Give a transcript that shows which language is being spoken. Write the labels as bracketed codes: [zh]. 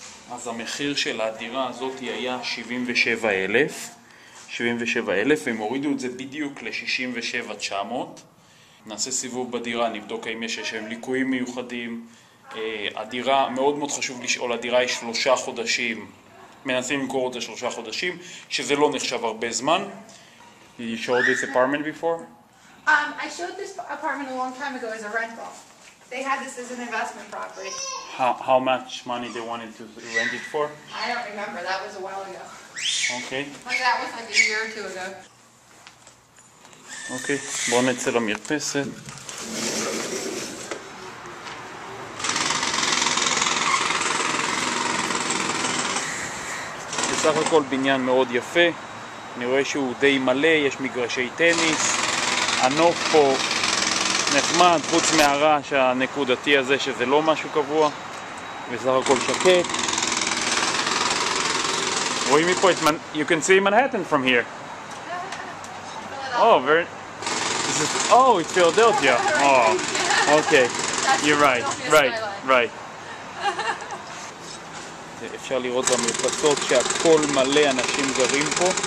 [he] אז המחיר של הדירה הזאת היה 77,000. 77,000, הם הורידו את זה בדיוק ל-67,900. נעשה סיבוב בדירה, נבדוק האם יש שם ליקויים מיוחדים. הדירה, מאוד מאוד חשוב לשאול, הדירה היא 3 חודשים, מנסים למכור אותה 3 חודשים, שזה לא נחשב הרבה זמן. [en] You showed this apartment before? I showed this apartment a long time ago as a rental. They had this as an investment property. How much money they wanted to rent it for? I don't remember. That was a while ago. Okay. That was like a year or two ago. [he] אוקיי, בואו נצא למרפסת. בסך הכל בניין מאוד יפה, אני רואה שהוא די מלא, יש מגרשי טניס, הנוף פה נחמד, חוץ מהרעש הנקודתי הזה שזה לא משהו קבוע, בסך הכל שקט. רואים מפה את [en] you can see Manhattan from here. Oh, very... Oh, it's Philadelphia. Oh, okay. You're right, right, right. [he] אפשר לראות במרפסות שהכל מלא אנשים גרים פה.